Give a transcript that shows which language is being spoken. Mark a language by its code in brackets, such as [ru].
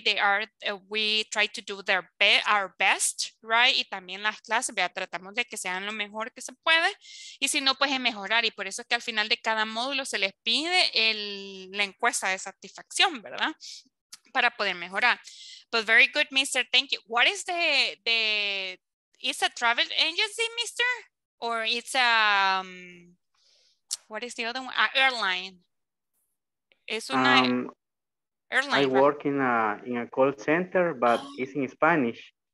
[en] They are, we try to do their our best, right? [es] Y también las clases, ¿verdad? Tratamos de que sean lo mejor que se puede. Y si no, pues es mejorar. Y por eso es que al final de cada módulo se les pide la encuesta de satisfacción, ¿verdad? Para poder mejorar. [en] But very good, Mr. Thank you. What is the is a travel agency, Mr.? Or it's a... What is the other one? Airline. [es] Es una airline. [en] I work in a call center, but it's in Spanish.